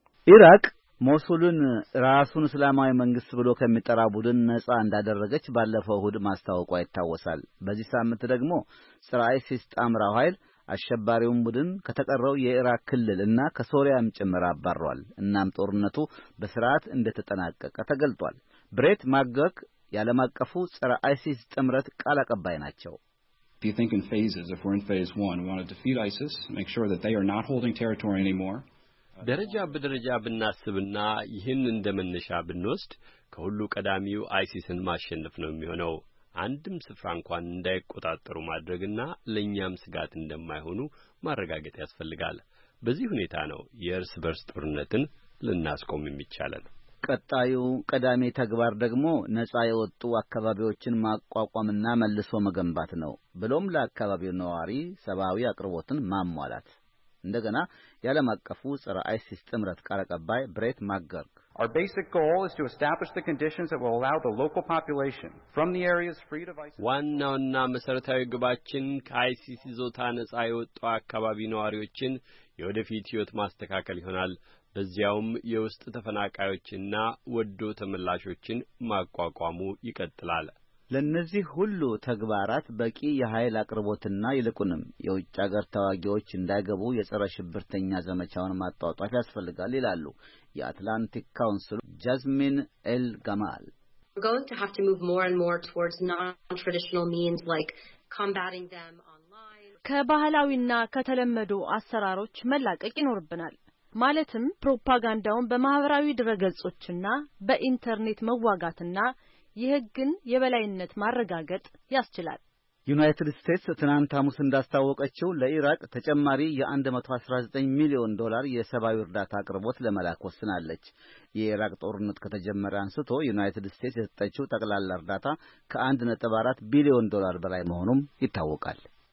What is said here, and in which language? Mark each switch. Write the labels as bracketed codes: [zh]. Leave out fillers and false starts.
[am] ኢራቅ ሞሱልን ራሱን እስላማዊ መንግስት ብሎ ከመጣ ቡድን ነጻ እንዳደረገች ባለፈው እሁድ ማስተዋወቋ ይታወሳል። በዚህ ሳምንት ደግሞ ሰራይሲስ ጣምራው ኃይል አሸባሪውን ቡድን ከተቀረው የኢራቅ ክልል እና ከሶሪያም ጭምር አባሯል። እናም ጦርነቱ በስርዓት እንደተጠናቀቀ ተገልጧል። ብሬት ማግግ ያለም አቀፉ ጸረ አይሲስ ጥምረት ቃል አቀባይ ናቸው። [en] Do you think in phases if we're in phase 1 we want to defeat ISIS make sure that they are not holding territory anymore? [am] ደረጃ በደረጃ ብናስብና ይህን እንደምንሻ ብንወስድ ከሁሉ ቀዳሚው አይሲስን ማሸነፍ ነው የሚሆነው። አንድም ስፍራ እንኳን እንዳይቆጣጠሩ ማድረግና ለኛም ስጋት እንደማይሆኑ ማረጋገጥ ያስፈልጋል። በዚህ ሁኔታ ነው የርስ በርስ ጦርነትን ልናስቆም የሚቻለው። ቀጣዩ ቀዳሚ ተግባር ደግሞ ነጻ የወጡ አካባቢዎችን ማቋቋምና መልሶ መገንባት ነው። ብሎም ለአካባቢው ነዋሪ ሰብአዊ አቅርቦትን ማሟላት። እንደገና ያለም አቀፉ ጸረ አይሲስ ጥምረት ቃል አቀባይ ብሬት ማገር [en] Our basic goal is to establish the conditions that will allow the local population from the areas freed of ISIS. [am] ዋናውና መሰረታዊ ግባችን ከአይሲስ ዞታ ነጻ የወጡ አካባቢ ነዋሪዎችን የወደፊት ህይወት ማስተካከል ይሆናል። በዚያውም የውስጥ ተፈናቃዮችና ወዶ ተመላሾችን ማቋቋሙ ይከተላል። ለነዚህ ሁሉ ተግባራት በቂ የኃይል አቅርቦትና ይልቁንም የውጭ ሀገር ተዋጊዎች እንዳይገቡ የጸረ ሽብርተኛ ዘመቻውን ማጣጣፍ ያስፈልጋል ይላሉ የአትላንቲክ ካውንስል ጃዝሚን ኤል ጋማል። [en] We're going to have to move more and more towards non-traditional means like combating them online. [am] ከባህላዊና ከተለመዱ አሰራሮች መላቀቅ ይኖርብናል። ማለትም ፕሮፓጋንዳውን በማህበራዊ ድረገጾችና በኢንተርኔት መዋጋትና የህግን የበላይነት ማረጋገጥ ያስችላል። ዩናይትድ ስቴትስ ትናንት አሙስ እንዳስታወቀችው ለኢራቅ ተጨማሪ የ119 ሚሊዮን ዶላር የሰብአዊ እርዳታ አቅርቦት ለመላክ ወስናለች። የኢራቅ ጦርነት ከተጀመረ አንስቶ ዩናይትድ ስቴትስ የሰጠችው ጠቅላላ እርዳታ ከ1.4 ቢሊዮን ዶላር በላይ መሆኑም ይታወቃል።